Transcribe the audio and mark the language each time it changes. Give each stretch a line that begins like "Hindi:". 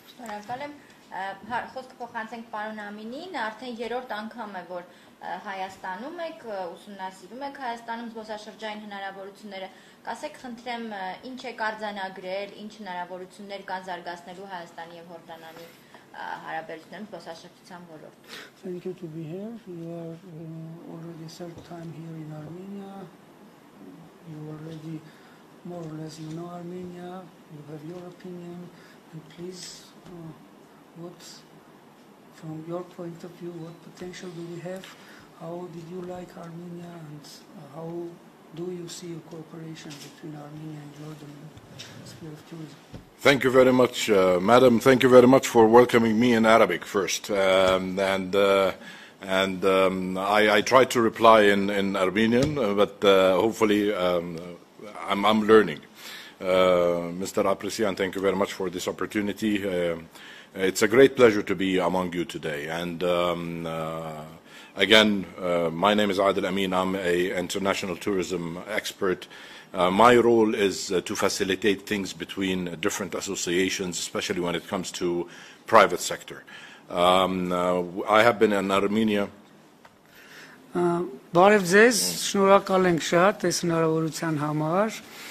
Armenian: Շնորհակալ եմ, խոսքը փոխանցենք պարոն Ամինին, արդեն երրորդ անգամ է, որ Հայաստանում եք, ուսումնասիրում եք Հայաստանում զբոսաշրջային հնարավորությունները։ Կասեք, խնդրեմ, ինչ է կարձանագրել, ինչ հնարավորություններ կան զարգացնելու Հայաստանի եւ Հորդանանի հարաբերությունում զբոսաշրջության ոլորտում։
English: Thank you to be here. You are already served time here in Armenia. You already more or less you know Armenia. You have your opinion. And please, what's from your point of view, what potential do we have? How did you like Armenia, and how do you see a cooperation between Armenia and Jordan in the sphere of tourism? Thank you very much, madam. Thank you very much for welcoming me in Arabic first. I try to reply in Armenian, but hopefully I'm learning. Mr. Apresian, thank you very much for this opportunity. It's a great pleasure to be among you today. And my name is Adel Amin. I'm a international tourism expert. My role is to facilitate things between different associations, especially when it comes to private sector. I have been in Armenia.
Armenian: Բարև ձեզ, շնորհակալ ենք շատ այս հնարավորության համար.